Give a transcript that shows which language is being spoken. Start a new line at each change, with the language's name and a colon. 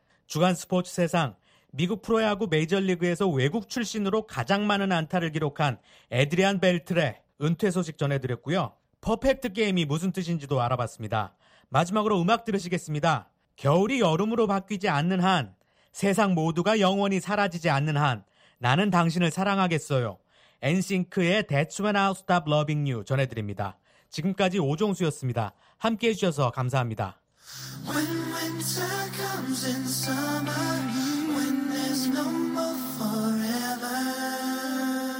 Korean: 주간 스포츠 세상, 미국 프로야구 메이저리그에서 외국 출신으로 가장 많은 안타를 기록한 에드리안 벨트레 은퇴 소식 전해드렸고요. 퍼펙트 게임이 무슨 뜻인지도 알아봤습니다. 마지막으로 음악 들으시겠습니다. 겨울이 여름으로 바뀌지 않는 한, 세상 모두가 영원히 사라지지 않는 한, 나는 당신을 사랑하겠어요. 엔싱크의 That's When I'll Stop Loving You 전해드립니다. 지금까지 오종수였습니다. 함께해 주셔서 감사합니다.
English: When winter comes in summer, when there's no more forever.